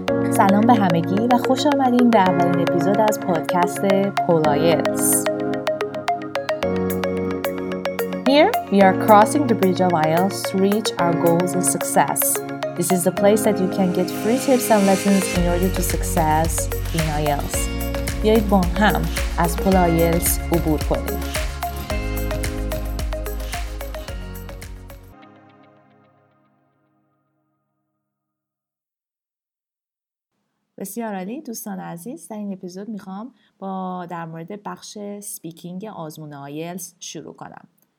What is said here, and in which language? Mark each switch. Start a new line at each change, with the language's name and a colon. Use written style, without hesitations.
Persian: سلام به همگی و خوش آمدین به اولین اپیزود از پادکست پولایتس.
English: Here we are crossing the bridge of IELTS to reach our goals and success. This is the place that you can get free tips and lessons in order to success in IELTS.
Persian: بیایید با هم از پل IELTS عبور کنیم. بسیار عالی دوستان عزیز، در این اپیزود میخوام با در مورد بخش سپیکینگ آزمون IELTS شروع کنم.